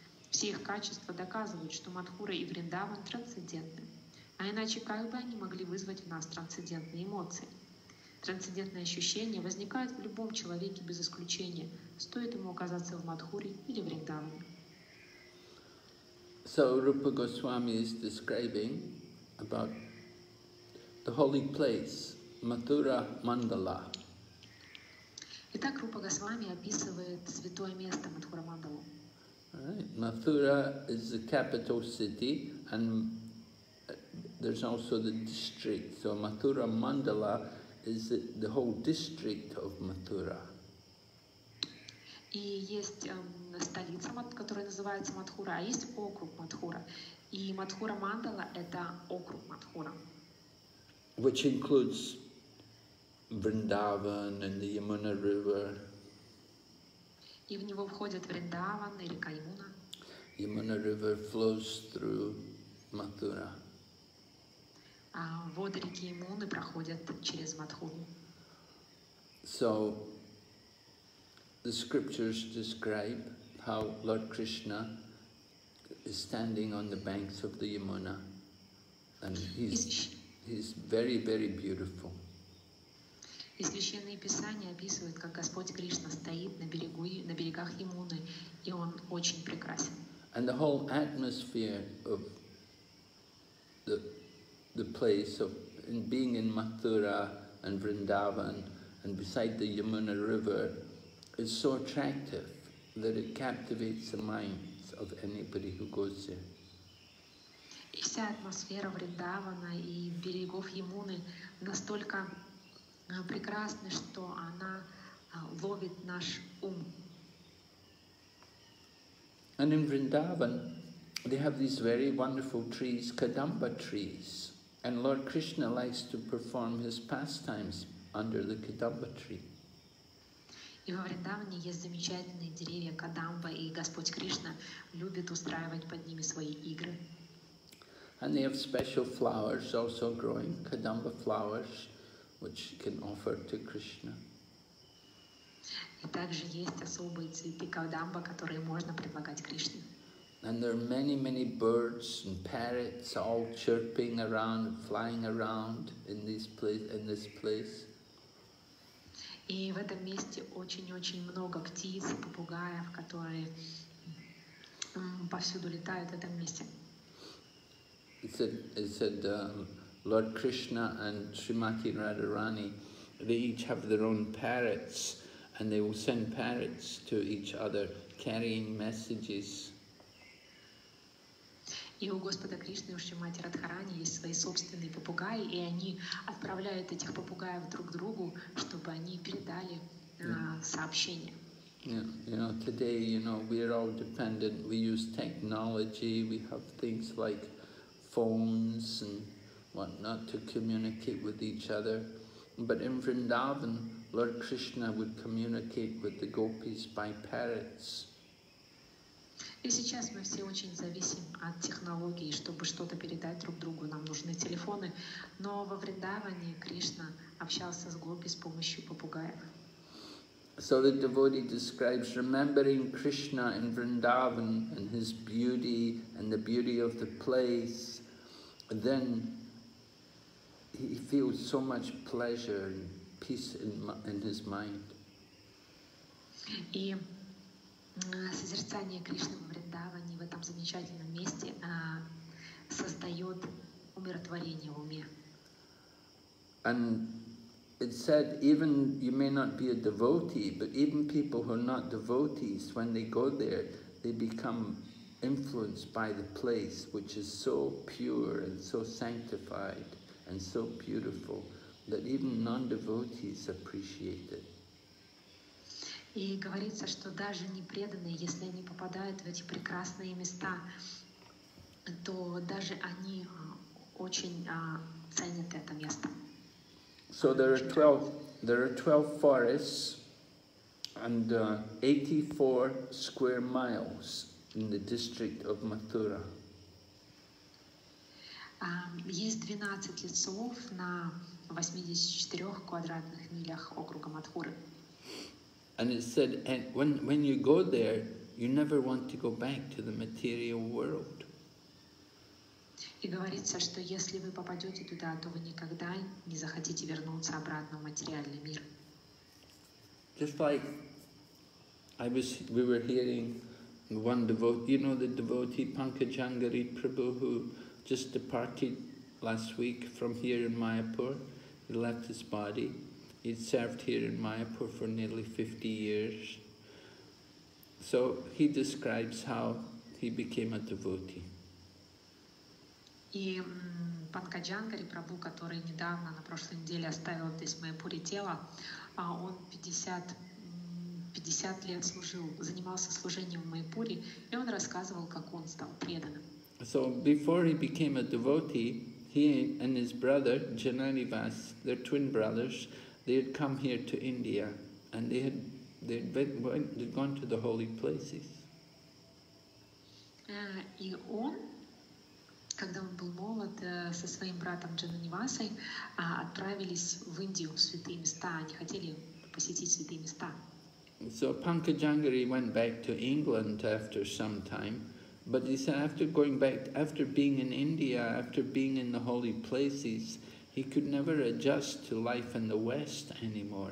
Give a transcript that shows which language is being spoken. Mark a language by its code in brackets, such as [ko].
[ru] Все их качества доказывают, что Мадхура и Вриндаван трансцендентны. А иначе как бы они могли вызвать в нас трансцендентные эмоции? Трансцендентные ощущения возникают в любом человеке без исключения, стоит ему оказаться в Мадхуре или Вриндаване. [en] So Rupa Goswami is describing about the holy place, Mathura Mandala. [ru] Итак, Рупа Госвами описывает святое место Мадхура Мандалу. [en] Right. Mathura is the capital city, and there's also the district. So Mathura Mandala is the whole district of Mathura. [ru] И есть столица, которая называется Мадхура, а есть округ Мадхура. И Мадхура Мандала — это округ Мадхура. [en] Which includes Vrindavan and the Yamuna River. [ru] И в него входят Вриндаван и река Ямуна. [en] Yamuna River flows through Mathura. [ru] А воды реки Ямуны проходят через Мадхуру. [en] So, the scriptures describe how Lord Krishna is standing on the banks of the Yamuna, and he's very, very beautiful. [ru] И священные писания описывают, как Господь Кришна стоит на берегах Ямуны, и он очень прекрасен. [en] And the whole atmosphere of the place of being in Mathura and Vrindavan and beside the Yamuna River is so attractive that it captivates the minds of anybody who goes there. [ru] И вся атмосфера Вриндавана и берегов Ямуны настолько прекрасна, что она ловит наш ум. [en] And in Vrindavan, they have these very wonderful trees, Kadamba trees, and Lord Krishna likes to perform his pastimes under the Kadamba tree. [ru] И во Вриндаване есть замечательные деревья Кадамба, и Господь Кришна любит устраивать под ними свои игры. [en] And they have special flowers also growing, Kadamba flowers, which you can offer to Krishna. [ru] И также есть особые цветы Кадамба, которые можно предлагать Кришне. [en] And there are many, many birds and parrots all chirping around, flying around in this place. [ru] И в этом месте очень-очень много птиц и попугаев, которые повсюду летают в этом месте. [en] It said Lord Krishna and Srimati Radharani, they each have their own parrots, and they will send parrots to each other carrying messages. [ru] И у Господа Кришны, у Шримати Радхарани есть свои собственные попугаи, и они отправляют этих попугаев друг к другу, чтобы они передали сообщение. [en] Yeah, you know, today, you know, we are all dependent. We use technology. We have things like phones and whatnot to communicate with each other. But in Vrindavan, Lord Krishna would communicate with the gopis by parrots. [ru] И сейчас мы все очень зависим от технологий, чтобы что-то передать друг другу. Нам нужны телефоны. Но во Вриндаване Кришна общался с гопи с помощью попугаев. [en] So the devotee describes remembering Krishna in Vrindavan and his beauty and the beauty of the place. Then he feels so much pleasure and peace in his mind. [ru] И созерцание Кришны в Вриндаване в этом замечательном месте создает умиротворение в уме. [en] And it said, even you may not be a devotee, but even people who are not devotees, when they go there, they become influenced by the place, which is so pure and so sanctified and so beautiful that even non-devotees appreciate it. [ru] И говорится, что даже непреданные, если они попадают в эти прекрасные места, то даже они очень ценят это место. [en] So there are 12 forests and 84 square miles in the district of Mathura. [ru] Есть 12 лесов на 84 квадратных милях округа Матхуры. [en] And it said, and when you go there, you never want to go back to the material world. [ru] И говорится, что если вы попадете туда, то вы никогда не захотите вернуться обратно в материальный мир. [en] Just like we were hearing one devotee, you know, the devotee Pankajangari Prabhu, who just departed last week from here in Mayapur. He left his body. He served here in Mayapur for nearly 50 years. So he describes how he became a devotee. [ru] И Панкаджангари Прабху, который недавно, на прошлой неделе оставил здесь Майяпуре тело, он 50 лет служил, занимался служением в Майяпуре, и он рассказывал, как он стал преданным. [en] So before he became a devotee, he and his brother Jananivas, their twin brothers, they had come here to India, and they had gone to the holy places. [ru] И он, когда он был молод, со своим братом Джананивасой отправились в Индию, в святые места. Они хотели посетить святые места. [en] So Pankajangari went back to England after some time, but he said after going back, after being in India, after being in the holy places, he could never adjust to life in the West anymore.